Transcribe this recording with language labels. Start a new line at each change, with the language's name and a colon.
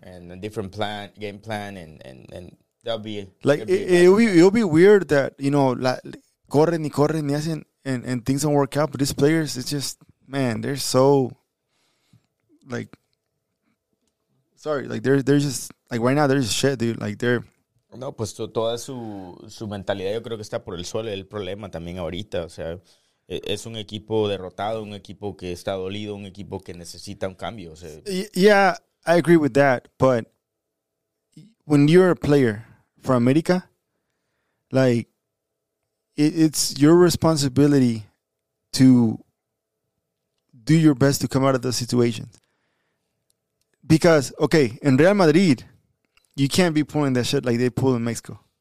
English: and a different plan game plan and. It'll be weird that, you know,
Spanish: corren y corren y hacen
English: and things don't work out. But these players, it's just, man, they're so, like, sorry. Like, they're just, like, right now, they're just shit, dude. Like, they're.
Spanish: No, pues toda su mentalidad yo creo que está por el suelo. El problema también ahorita, o sea, es un equipo derrotado, un equipo que está dolido, un equipo que necesita un cambio. O sea.
English: Yeah, I agree with that. But when you're a player for America, like, it's your responsibility to do your best to come out of the situation. Because, okay, in Real Madrid, you can't be pulling that shit like they pull in Mexico.